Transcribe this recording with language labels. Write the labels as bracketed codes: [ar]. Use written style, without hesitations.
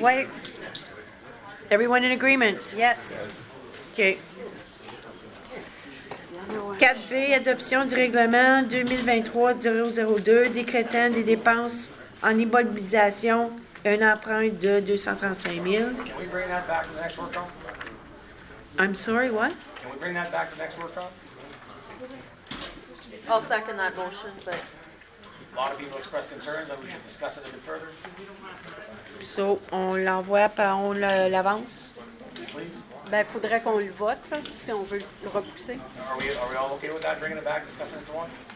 [en] Wait. Everyone in agreement? Yes. Okay. [fr] 4B, adoption du règlement 2023-002, décrétant des dépenses en immobilisation, une empreinte de 235 [en] 000. Can we bring that back to the next workshop? I'm sorry, what? Can we bring that back to the next workshop? I'll second that motion, but... A lot of people expressed concerns that we should discuss it a bit further. [fr] So, on l'envoie, on l'avance? Ben, il faudrait qu'on le vote, là, si on veut le repousser. [en] Are we all okay with that, bringing it back, discussing it tomorrow?